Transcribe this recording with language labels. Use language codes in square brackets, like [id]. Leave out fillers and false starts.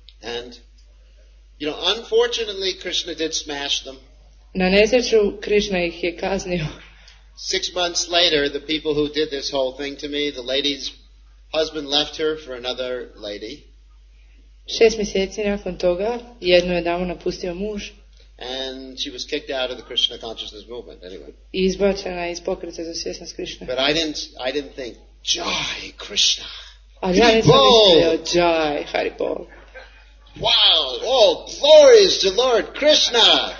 [en] And, you know, unfortunately Krishna did smash them. [hr] Na nesreću Krishna ih je kaznio. [en] 6 months later, the people who did this whole thing to me, the lady's husband left her for another lady. [hr] 6 mjeseci nakon toga, jednu je damu napustio muž. [en] And she was kicked out of the Krishna consciousness movement, anyway. [hr] I izbačena iz pokreta za svjesnost Krishna. [en] But I didn't think, Jai Krishna! [hr] Hari Bol! Mislio, Jai Hari Bol! [en] Wow! All glories to Lord Krishna!